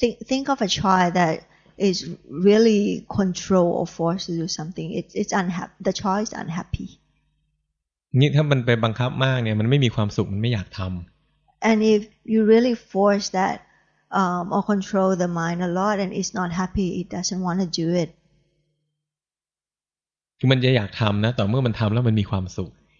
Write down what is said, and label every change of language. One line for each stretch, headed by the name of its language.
English: think of a child that is really control or forced to do something it's unhappy the child is unhappy
Thai: นี่ถ้ามันไปบังคับมากเนี่ยมันไม่มีความสุขมันไม่อยากทำ
English: and if you really force that or control the mind a lot and it's not happy it doesn't want to do it
Thai: มันจะอยากทำนะแต่เมื่อมันทำแล้วมันมีความสุข